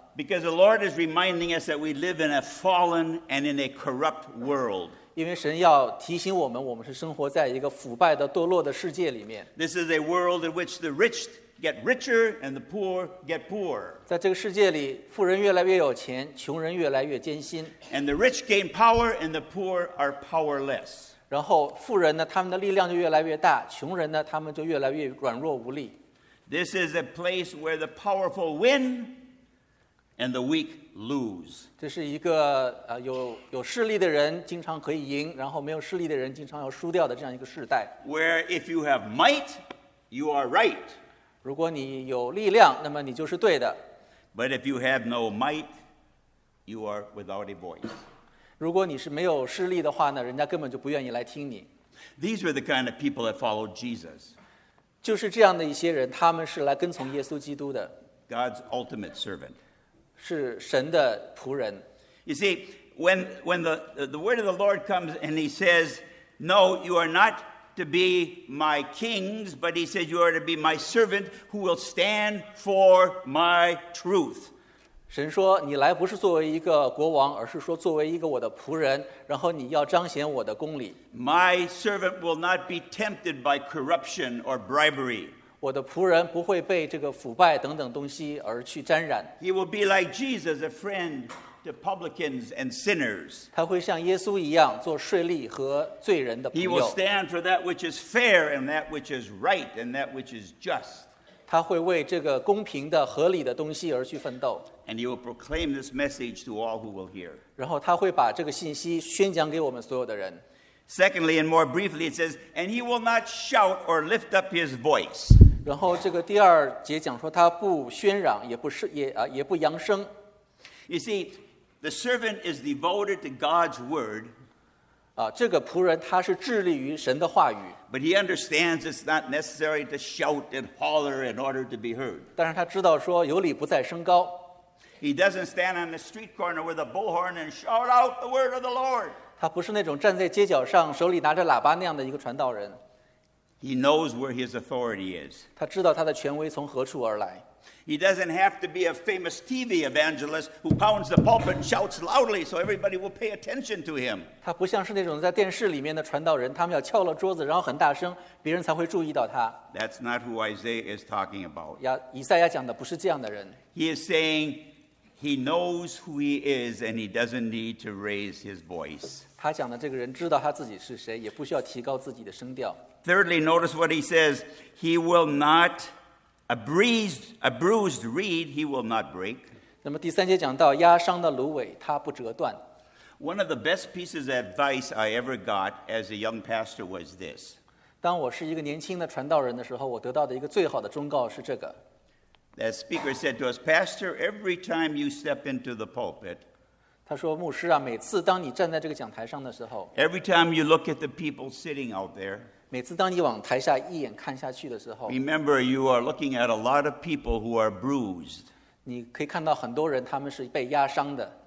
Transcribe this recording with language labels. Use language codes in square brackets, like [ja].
[en] Because the Lord is reminding us that we live in a fallen and in a corrupt world. [zh] 因为神要提醒我们，我们是生活在一个腐败的、堕落的世界里面。 [en] This is a world in which the rich get richer and the poor get poorer. [zh] 在这个世界里，富人越来越有钱，穷人越来越艰辛。 [en] And the rich gain power and the poor are powerless. [zh] 然后富人呢，他们的力量就越来越大，穷人呢，他们就越来越软弱无力。 [en] This is a place where the powerful win And the weak lose. [zh] 这是一个有势力的人经常可以赢，然后没有势力的人经常要输掉的这样一个世代。 [en] Where if you have might, you are right. [zh] 如果你有力量，那么你就是对的。 [en] But if you have no might, you are without a voice. [zh] 如果你是没有势力的话呢，人家根本就不愿意来听你。 [en] These were the kind of people that followed Jesus. [zh] 就是这样的一些人，他们是来跟从耶稣基督的。 [en] God's ultimate servant. [zh] 是神的仆人。 [en] You see, when the word of the Lord comes and he says, No, you are not to be my kings, but he says, You are to be my servant who will stand for my truth. [zh] 神说你来不是作为一个国王，而是说作为一个我的仆人，然后你要彰显我的公理。 [en] My servant will not be tempted by corruption or bribery. [zh] 我的仆人不会被这个腐败等等东西而去沾染。 [en] He will be like Jesus, a friend to publicans and sinners. [zh] 他会像耶稣一样做税吏和罪人的朋友。 [en] He will stand for that which is fair and that which is right and that which is just. [zh] 他会为这个公平的合理的东西而去奋斗。 [en] And he will proclaim this message to all who will hear. [zh] 然后他会把这个信息宣讲给我们所有的人。 [en] Secondly, and more briefly, it says, and he will not shout or lift up his voice. [zh] 然后这个第二节讲说他不喧嚷，也不扬声。 [en] You see, the servant is devoted to God's word. [zh] 这个仆人他是致力于神的话语。 [en] But he understands it's not necessary to shout and holler in order to be heard. [zh] 但是他知道说有理不在声高。 [en] He doesn't stand on the street corner with a bullhorn and shout out the word of the Lord. [zh] 他不是那种站在街角上手里拿着喇叭那样的一个传道人。 [en] He knows where his authority is. [zh] 他知道他的权威从何处而来。 [en] He doesn't have to be a famous TV evangelist who pounds the pulpit and shouts loudly so everybody will pay attention to him. [zh] 他不像是那种在电视里面的传道人，他们要敲了桌子，然后很大声，别人才会注意到他。 [en] That's not who Isaiah is talking about. [zh] 以赛亚讲的不是这样的人。 [en] He is saying. He knows who he is, and he doesn't need to raise his voice. [zh] 他讲的这个人知道他自己是谁，也不需要提高自己的声调。 [en] Thirdly, notice what he says. He will not a bruised reed he will not break. [zh] 那么第三节讲到压伤的芦苇，他不折断。 [en] One of the best pieces of advice I ever got as a young pastor was this. [zh] 当我是一个年轻的传道人的时候，我得到的一个最好的忠告是这个。 [en] That speaker said to us, Pastor, every time you step into the pulpit, [zh] 他说牧师啊，每次当你站在这个讲台上的时候， [en] every time you look at the people sitting out there, [zh] 每次当你往台下一眼看下去的时候， [en] remember you are looking at a lot of people who are bruised, [zh] 你可以看到很多人他们是被压伤的，